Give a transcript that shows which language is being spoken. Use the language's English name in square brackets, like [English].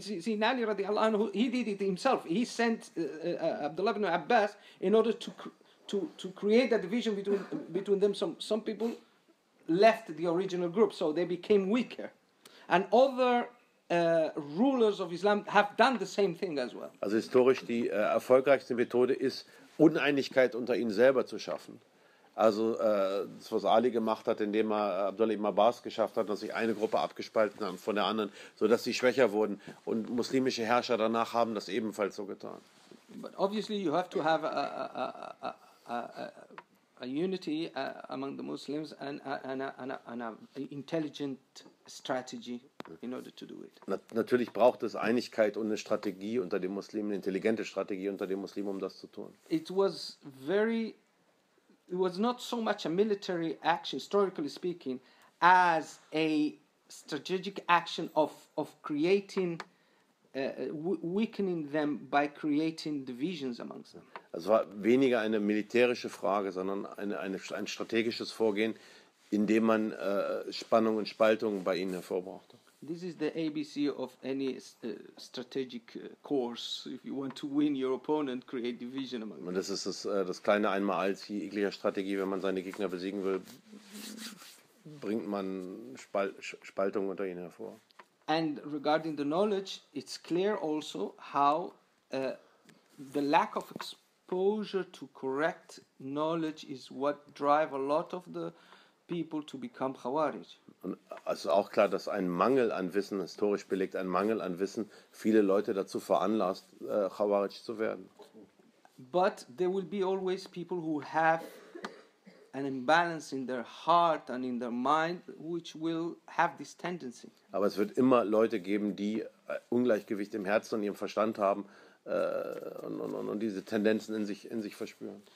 [English] See, Ali radiallahu anhu, he did it himself. He sent Abdullah ibn Abbas in order to create a division between them. Some people left the original group, so they became weaker. And other rulers of Islam have done the same thing as well. [German] Also historisch, die erfolgreichste Methode ist, Uneinigkeit unter ihnen selber zu schaffen. Also das, was Ali gemacht hat, indem er Abdullah ibn Abbas geschafft hat, dass sich eine Gruppe abgespalten haben von der anderen, sodass sie schwächer wurden. Und muslimische Herrscher danach haben das ebenfalls so getan. [English] But obviously you have to have a unity among the Muslims and a intelligent strategy in order to do it. [German] Natürlich braucht es Einigkeit und eine Strategie unter den Muslimen, eine intelligente Strategie unter den Muslimen, um das zu tun. [English] It was not so much a military action, historically speaking, as a strategic action of creating, weakening them by creating divisions amongst them. [German] Es war weniger eine militärische Frage, sondern ein strategisches Vorgehen, in dem man Spannung und Spaltung bei ihnen hervorbrachte. [English] This is the ABC of any strategic course. If you want to win your opponent, create division among them. [German] Das ist das kleine Einmaleins jeglicher Strategie. Wenn man seine Gegner besiegen will, bringt man Spaltung unter ihnen hervor. [English] And regarding the knowledge, it's clear also how the lack of exposure to correct knowledge is what drive a lot of the people to become Khawarij. [German] Und es ist auch klar, dass ein Mangel an Wissen, historisch belegt, ein Mangel an Wissen viele Leute dazu veranlasst, Khawarij zu werden. [English] But there will be always people who have an imbalance in their heart and in their mind which will have this tendency. [German] Aber es wird immer Leute geben, die Ungleichgewicht im Herzen und ihrem Verstand haben und diese Tendenzen in sich verspüren.